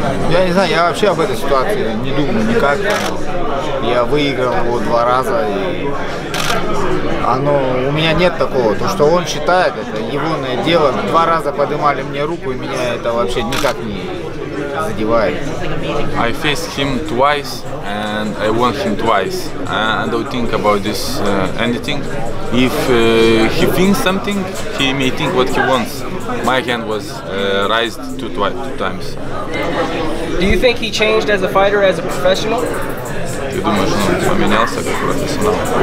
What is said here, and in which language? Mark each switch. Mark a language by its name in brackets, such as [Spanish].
[Russian] Я не знаю, я вообще об этой ситуации не думаю никак. Я выиграл его два раза и... Оно, у меня нет такого, то что он считает, это егоное дело. Два раза поднимали мне руку, и меня это вообще никак не задевает. [English] I faced him twice and I won him twice. I don't think about this anything. If he thinks something, he may think what he wants. My hand was raised two times. Do you think he changed as a fighter, as a professional? [Russian] Ты думаешь, он поменялся как профессионал?